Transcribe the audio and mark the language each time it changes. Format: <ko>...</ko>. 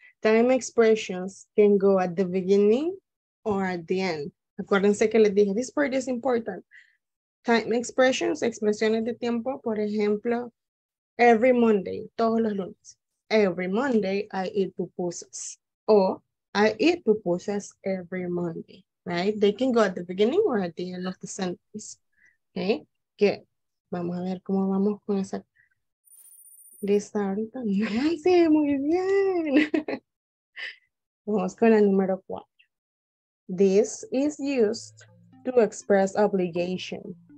<en>Time expressions can go at the beginning or at the end.</en> <es>Acuérdense que les dije,</es> <en>this part is important. Time expressions,</en> <es>expresiones de tiempo, por ejemplo,</es> <en>every Monday,</en> <es>todos los lunes.</es> <en>Every Monday, I eat pupusas. O, I eat pupusas every Monday, right? They can go at the beginning or at the end of the sentence. Okay, good.</en> <es>Vamos a ver cómo vamos con esa lista ahorita. Sí, muy bien. Vamos con la número 4.</es> <en>This is used to to express obligation.</en>